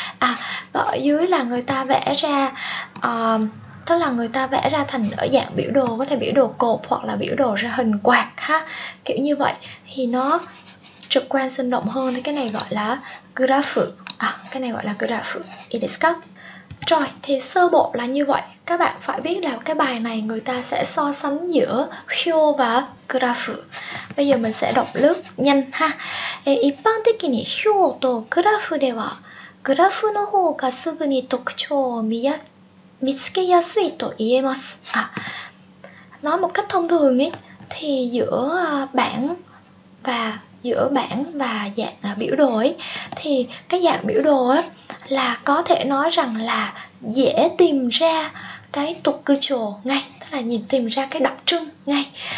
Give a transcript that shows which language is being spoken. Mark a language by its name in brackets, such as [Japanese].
[Vietnamese] À, và ở dưới là người ta vẽ ra tức là người ta vẽ ra thành ở dạng biểu đồ, có thể biểu đồ cột hoặc là biểu đồ ra hình quạt ha, kiểu như vậy thì nó trực quan sinh động hơn. Thì cái này gọi là graph. À, cái này gọi là graph. It is cup. Rồi, thì sơ bộ là như vậy. Các bạn phải biết là cái bài này người ta sẽ so sánh giữa hyo và graph. Bây giờ mình sẽ đọc lướt nhanh ha. [Japanese] 一般的に hyo とグラフではグラフの方がすぐに特徴を見つけやすいと言えます。 [Vietnamese] À, nói một cách thông thường ấy, thì giữa bảng và dạng biểu đồ ấy, thì cái dạng biểu đồ ấy, là có thể nói rằng là dễ tìm ra cái tục cư trồ ngay, tức là nhìn tìm ra cái đặc trưng ngay.